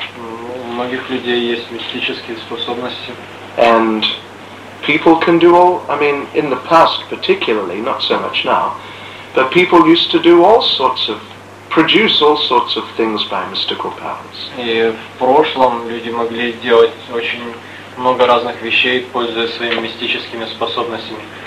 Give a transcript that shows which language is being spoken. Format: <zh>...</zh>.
<ru>У многих людей есть мистические способности.</ru> <en>And people can do all, I mean, in the past particularly, not so much now, but people used to do all sorts of, produce all sorts of things by mystical powers.</en> <ru>И в прошлом люди могли делать очень много разных вещей, пользуясь своими мистическими способностями.</ru>